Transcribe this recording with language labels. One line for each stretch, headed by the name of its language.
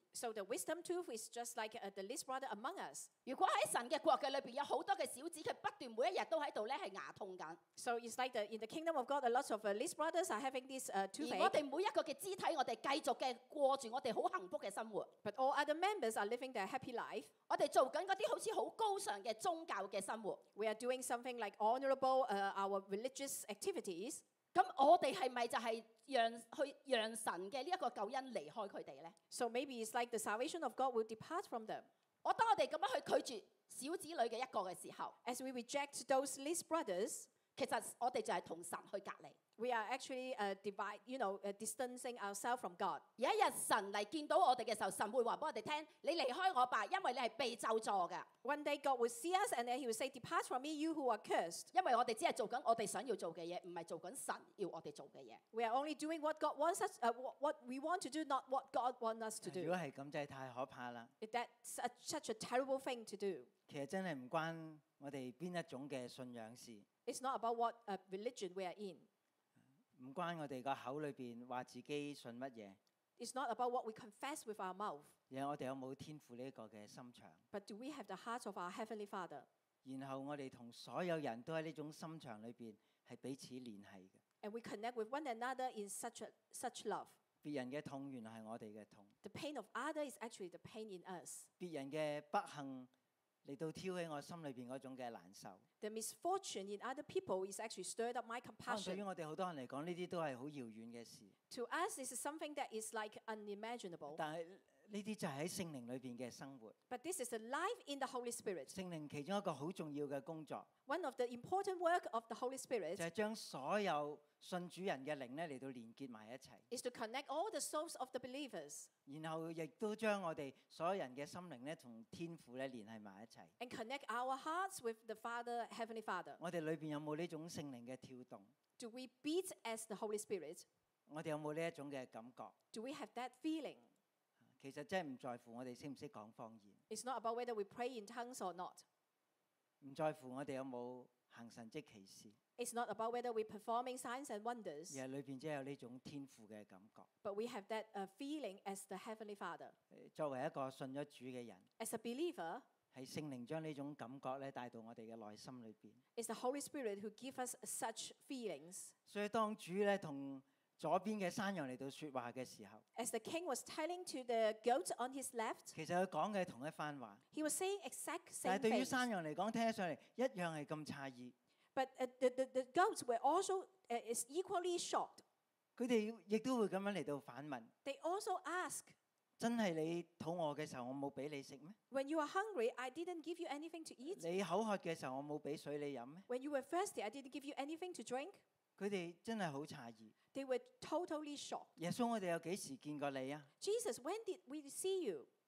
English: So the wisdom tooth is just like the least brother among us。
Cantonese: 如果喺神嘅国嘅里边有好多嘅小子，佢不断每一日都喺度咧系牙痛紧。
English: So it's like in the kingdom of God, a lot of least brothers are having this toothache。
Cantonese: 而我哋每一个嘅肢体，我哋继续嘅过住我哋好幸福嘅生活。
English: But all other members are living their happy life。
Cantonese: 我哋做紧嗰啲好似好高尚嘅宗教嘅生活。
English: We are doing something like honourable our religious activities。
Cantonese: 咁我哋系咪就系让神嘅呢一个救恩离开佢哋咧
English: ？So maybe it's like the salvation of God will depart from them。
Cantonese: 我当我哋咁样去拒绝小子女嘅一个嘅时候
English: ，as we reject those least brothers，
Cantonese: 其实我哋就系同神去隔离。
English: We are actually distancing ourselves from God。
Cantonese: 有一日神嚟见到我哋嘅时候，神会话俾我哋听：你离开我吧，因为你系被咒诅嘅。
English: One day God will see us and then He will say, "Depart from me, you who are cursed."
Cantonese: 因为我哋只系做紧我哋想要做嘅嘢，唔系做紧神要我哋做嘅嘢。
English: We are only doing what God wants us, what we want to do, not what God wants us to do。
Cantonese: 如果系咁，真系太可怕啦。
English: That's such a terrible thing to do。
Cantonese: 其实真系唔关我哋边一种嘅信仰事。
English: It's not about what religion we are in。
Cantonese: 唔关我哋个口里边话自己信乜嘢。
English: It's not about what we confess with our mouth。
Cantonese: 而系我哋有冇天父呢个嘅心肠。
English: But do we have the heart of our heavenly Father？
Cantonese: 然后我哋同所有人都喺呢种心肠里边系彼此联系嘅。
English: And we connect with one another in such love。
Cantonese: 别人嘅痛原系我哋嘅痛。
English: The pain of other is actually the pain in us。
Cantonese: 别人嘅不幸嚟到挑起我心里边嗰种嘅难受。
English: The misfortune in other people is actually stirred up my compassion。
Cantonese: 对于我哋好多人嚟讲，呢啲都系好遥远嘅事。
English: To us, this is something that is like unimaginable。
Cantonese: 但系呢啲就喺圣灵里边嘅生活。
English: But this is a life in the Holy Spirit。
Cantonese: 圣灵其中一个好重要嘅工作。
English: One of the important work of the Holy Spirit。
Cantonese: 就系将所有信主人嘅灵咧嚟到连结埋一齐。
English: Is to connect all the souls of the believers。
Cantonese: 然后亦都将我哋所有人嘅心灵咧同天父咧联系埋一齐。
English: And connect our hearts with the Father, Heavenly Father。
Cantonese: 我哋里边有冇呢种圣灵嘅跳动
English: ？Do we beat as the Holy Spirit？
Cantonese: 我哋有冇呢一种嘅感觉
English: ？Do we have that feeling？
Cantonese: 其实真系唔在乎我哋识唔识讲方言。
English: It's not about whether we pray in tongues or not。
Cantonese: 唔在乎我哋有冇行神迹奇事。
English: It's not about whether we're performing signs and wonders，
Cantonese: 而系里边即系有呢种天父嘅感觉。
English: But we have that feeling as the Heavenly Father。
Cantonese: 作为一个信咗主嘅人
English: ，as a believer，
Cantonese: 系圣灵将呢种感觉咧带到我哋嘅内心里边。
English: It's the Holy Spirit who gives us such feelings。
Cantonese: 所以当主咧同左邊嘅山羊嚟到説話嘅時候
English: ，as the king was telling to the goat on his left，
Cantonese: 其實佢講嘅同一番話
English: ，he was saying exact same thing。
Cantonese: 但係對於山羊嚟講，聽起上嚟一樣係咁詫異。
English: But the goats were also is equally shocked。
Cantonese: 佢哋亦都會咁樣嚟到反問。
English: They also ask，
Cantonese: 真係你肚餓嘅時候，我冇俾你食咩
English: ？When you were hungry， I didn't give you anything to eat。
Cantonese: 你口渴嘅時候，我冇俾水你飲咩
English: ？When you were thirsty， I didn't give you anything to drink。
Cantonese: 佢哋真係好詫異。
English: They were totally shocked。
Cantonese: 耶穌，我哋有幾時見過你啊
English: ？Jesus， when did we see you？